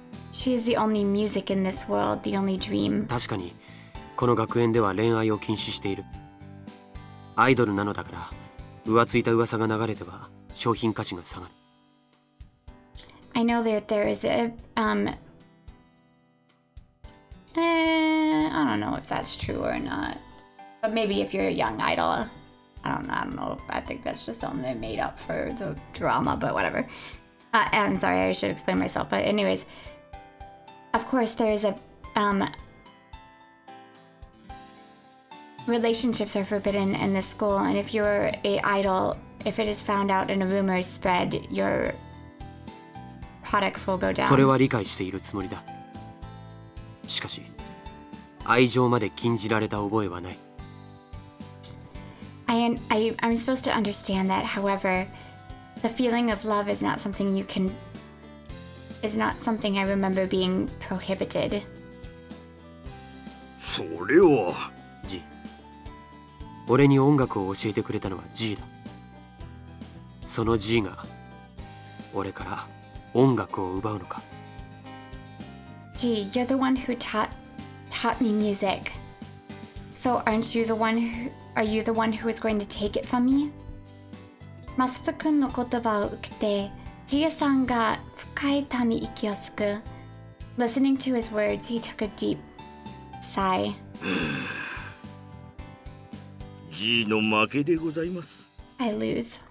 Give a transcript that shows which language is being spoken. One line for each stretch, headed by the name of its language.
English: She is the only music in this world, the only dream.
Japanese: 確かに、この学園では恋愛を禁止している。アイドルなのだから、浮ついた噂が流れては商品価値が下がる。
English: I know that there is I don't know if that's true or not. But maybe if you're a young idol, I don't know. I think that's just something they made up for the drama, but whatever. I'm sorry, I should explain myself, but anyways. Of course, there is a, relationships are forbidden in this school, and if you're an idol, if it is found out and a rumor is spread, your products will go down.
Japanese: それは理解しているつもりだ。しかし、愛情まで禁じられた覚えはない。
English: I'm supposed to understand that, however, the feeling of love is not something you can... is not something I remember being prohibited.
Japanese: それは G。俺に音楽を教えてくれたのは G だ。その G が俺から音楽を奪うのか。
English: G, you're the one who taught me music. So aren't you the one who are you the one who is going to take it from me?
Japanese: マスト君の言葉を受けて。ジーさんが深い民息をすく。
English: Listening to his words, he took a deep sigh.
Japanese: ジーの負けでございます。
English: I lose.